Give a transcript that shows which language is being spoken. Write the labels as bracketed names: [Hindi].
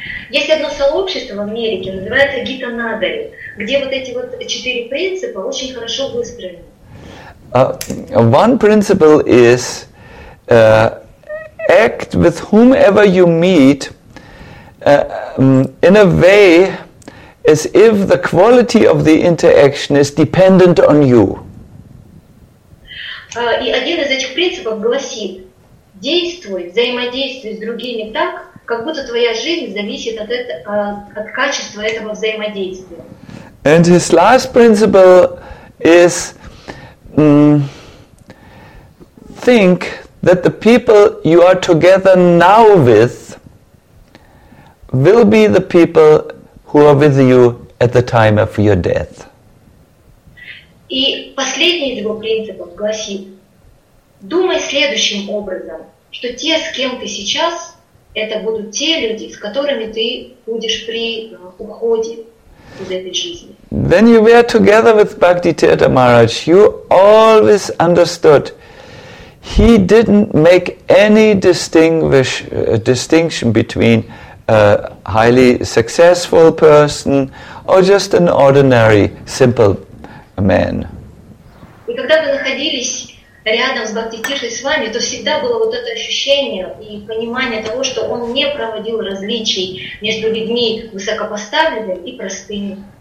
[Russian] Есть одно сообщество в Америке, называется Gita Nagari, где вот эти вот четыре принципа очень хорошо выстроены. [English] One principle is act with whomever you meet in a way as if the quality of the interaction is dependent on you. [Russian] И один из этих принципов гласит: действуй, взаимодействуй с другими так, как будто твоя жизнь зависит от, от качества этого взаимодействия. [English] And his last principle is think that the people you are together now with will be the people who are with you at the time of your death. [Russian] И последний из его принципов гласит: думай следующим образом, что те, с кем ты сейчас, это будут те люди, с которыми ты будешь при уходе из этой жизни. [English] When you were together with Bhakti Tirtha Maharaj, you always understood he didn't make any distinction between a highly successful person or just an ordinary, simple man. [Russian] И когда вы находились рядом с Бхакти Тиршей с вами, то всегда было вот это ощущение и понимание того, что он не проводил различий между людьми высокопоставленными и простыми.